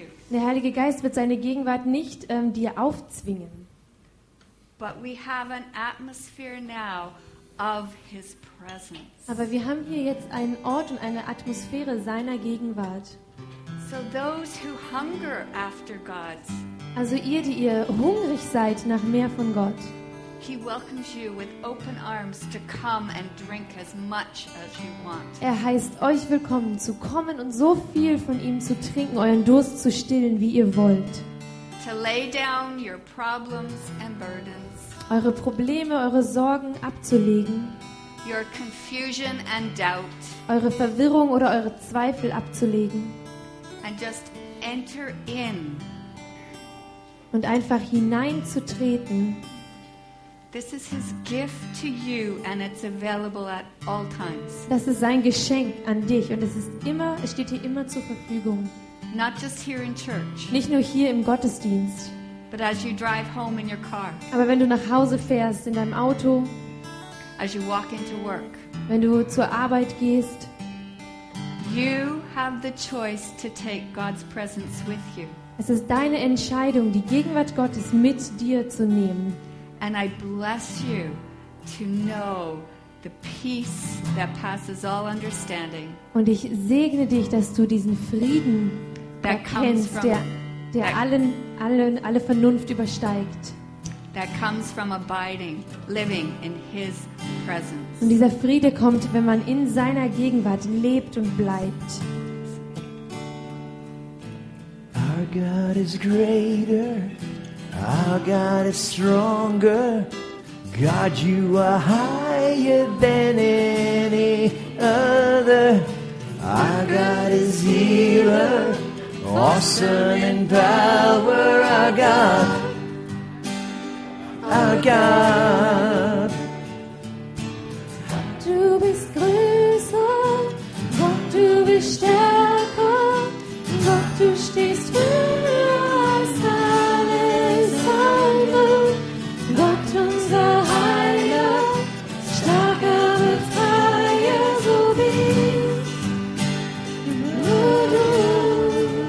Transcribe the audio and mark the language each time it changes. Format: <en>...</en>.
<de>Der Heilige Geist wird seine Gegenwart nicht dir aufzwingen.</de> <en>But we have an atmosphere now of his presence.</en> <de>Aber wir haben hier jetzt einen Ort und eine Atmosphäre seiner Gegenwart.</de> <en>So those who hunger after God.</en> <de>Also ihr, die ihr hungrig seid nach mehr von Gott.</de> <en>He welcomes you with open arms to come and drink as much as you want.</en> <de>Er heißt euch willkommen zu kommen und so viel von ihm zu trinken, euren Durst zu stillen, wie ihr wollt.</de> <en>To lay down your problems and burdens.</en> <de>Eure Probleme, eure Sorgen abzulegen.</de> <en>Your confusion and doubt.</en> <de>Eure Verwirrung oder eure Zweifel abzulegen.</de> <en>And just enter in.</en> <de>Und einfach hineinzutreten.</de> <en>This is his gift to you and it's available at all times.</en> <de>Das ist sein Geschenk an dich und es ist immer, es steht dir immer zur Verfügung.</de> <en>Not just here in church.</en> <de>Nicht nur hier im Gottesdienst.</de> <en>But as you drive home in your car.</en> <de>Aber wenn du nach Hause fährst in deinem Auto.</de> <en>As you walk into work.</en> <de>Wenn du zur Arbeit gehst.</de> <en>You have the choice to take God's presence with you.</en> <de>Es ist deine Entscheidung, die Gegenwart Gottes mit dir zu nehmen.</de> <en>And I bless you to know the peace that passes all understanding.</en> <de>Und ich segne dich, dass du diesen Frieden erkennst, der alle Vernunft übersteigt.</de> <en>That comes from abiding, living in his presence.</en> <de>Und dieser Friede kommt, wenn man in seiner Gegenwart lebt und bleibt.</de> <en>Our God is greater, our God is stronger. God, you are higher than any other. Our God is healer, awesome in power, our God. Our God.</en> <de>Gott, du bist größer, Gott, du bist stärker, Gott, du stehst höher als alles andere. Gott, unser Heiler, starker Befreier, so bist du.</de>